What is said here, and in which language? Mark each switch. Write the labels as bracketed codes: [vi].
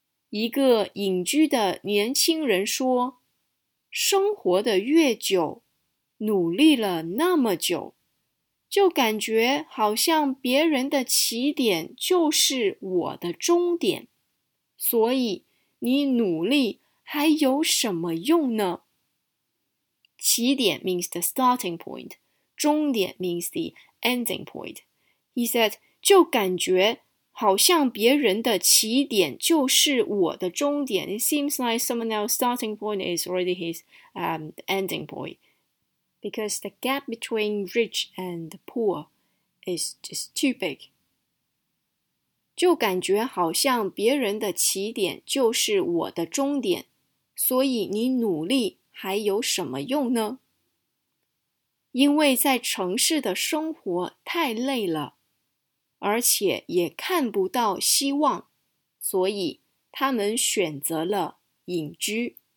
[zh] 一个隐居的年轻人说，生活的越久，努力了那么久，就感觉好像别人的起点就是我的终点，所以你努力还有什么用呢？ [en] 起点 means the starting point, 终点 means the ending point. He said, [zh] 就感觉好像别人的起点就是我的终点。 [en] It seems like someone else's starting point is already his ending point. Because the gap between rich and poor is just too big. [zh] 就感觉好像别人的起点就是我的终点。所以你努力还有什么用呢？因为在城市的生活太累了。而且也看不到希望，所以他们选择了隐居。